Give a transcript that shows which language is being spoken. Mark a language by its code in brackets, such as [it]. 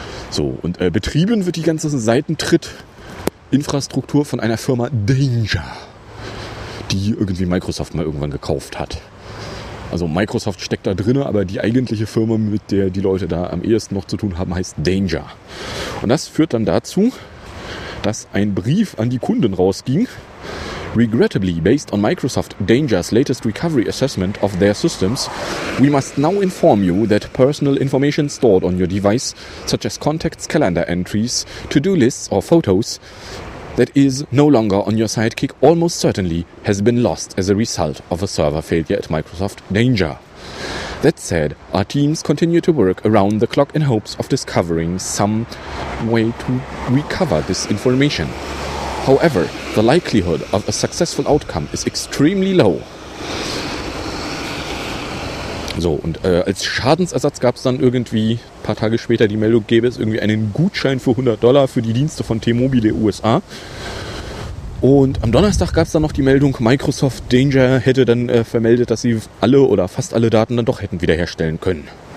[de] So, und betrieben wird die ganze Seitentritt-Infrastruktur von einer Firma Danger, die irgendwie Microsoft mal irgendwann gekauft hat. Also Microsoft steckt da drin, aber die eigentliche Firma, mit der die Leute da am ehesten noch zu tun haben, heißt Danger. Und das führt dann dazu, dass ein Brief an die Kunden rausging. [en] Regrettably, based on Microsoft Danger's latest recovery assessment of their systems, we must now inform you that personal information stored on your device, such as contacts, calendar entries, to-do lists or photos, that is no longer on your Sidekick, almost certainly has been lost as a result of a server failure at Microsoft Danger. That said, our teams continue to work around the clock in hopes of discovering some way to recover this information. However, the likelihood of a successful outcome is extremely low. [de] So, und als Schadensersatz gab es dann irgendwie, ein paar Tage später die Meldung, gäbe es irgendwie einen Gutschein für $100 für die Dienste von T-Mobile USA. Und am Donnerstag gab es dann noch die Meldung, Microsoft Danger hätte dann vermeldet, dass sie alle oder fast alle Daten dann doch hätten wiederherstellen können.